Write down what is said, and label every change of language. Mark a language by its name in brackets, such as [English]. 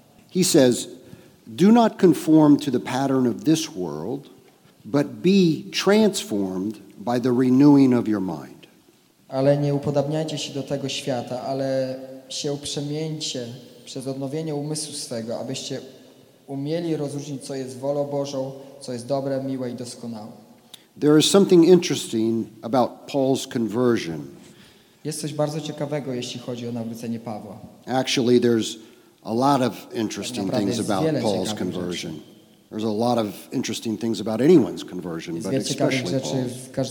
[English] He says, do not conform to the pattern of this world, but be transformed by the renewing of your mind. [Polish] Ale nie upodabniajcie się do tego świata, ale się uprzemieńcie przez odnowienie umysłu swego, abyście umieli rozróżnić, co jest wolą Bożą, co jest dobre, miłe i doskonałe. [English] There is something interesting about Paul's conversion. [Polish] Jest coś bardzo ciekawego, jeśli chodzi o nawrócenie Pawła. [English] Actually, there's a lot of interesting things about Paul's conversion. There's a lot of interesting things about anyone's conversion, but especially Paul's.